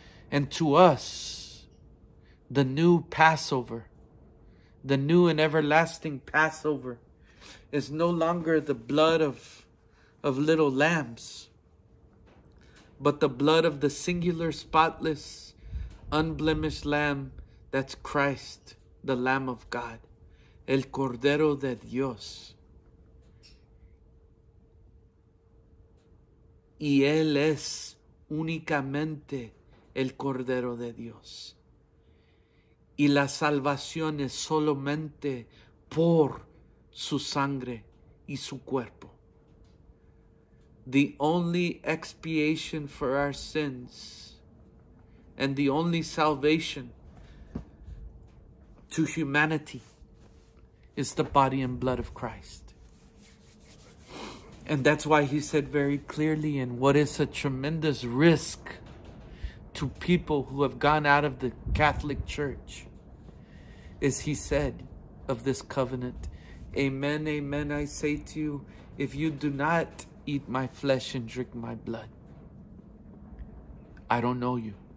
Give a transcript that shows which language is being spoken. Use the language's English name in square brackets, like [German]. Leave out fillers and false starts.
[English] And to us, the new Passover, the new and everlasting Passover, is no longer the blood of little lambs, but the blood of the singular, spotless, unblemished lamb, that's Christ, the Lamb of God, [Spanish] el Cordero de Dios. Y él es únicamente el Cordero de Dios. Y la salvación es solamente por su sangre y su cuerpo. [English] The only expiation for our sins and the only salvation to humanity is the body and blood of Christ. And that's why he said very clearly, and what is a tremendous risk to people who have gone out of the Catholic Church, is he said of this covenant, amen, amen, I say to you, if you do not eat my flesh and drink my blood, I don't know you.